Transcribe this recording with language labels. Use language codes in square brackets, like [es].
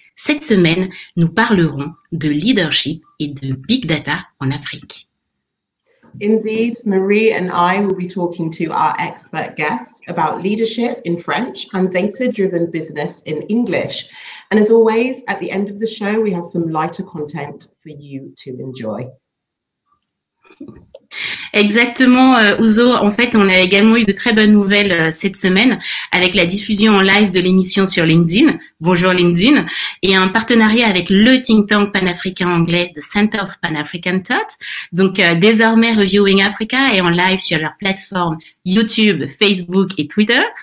[fr] Cette semaine, nous parlerons de leadership et de big data en Afrique. [en] Indeed, Marie and I will be talking to our expert guests about leadership in French and data-driven business in English. And as always, at the end of the show, we have some lighter content for you to enjoy. [fr] Exactement, Ouzo. En fait, on a également eu de très bonnes nouvelles cette semaine avec la diffusion en live de l'émission sur LinkedIn. Bonjour LinkedIn. Et un partenariat avec le think tank panafricain anglais, The Center of Pan-African Thought. Donc, désormais, Reviewing Africa est en live sur leur plateforme YouTube, Facebook et Twitter.